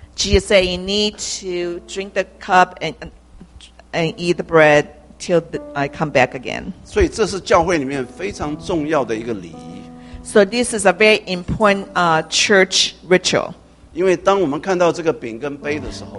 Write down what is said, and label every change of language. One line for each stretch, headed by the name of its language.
English: Jesus said you need to drink the cup and eat the bread till I come back again.
Chinese: 所以这是教会里面非常重要的一个礼仪,
English: so this is a very important church ritual.
Chinese: 因为当我们看到这个饼跟杯的时候,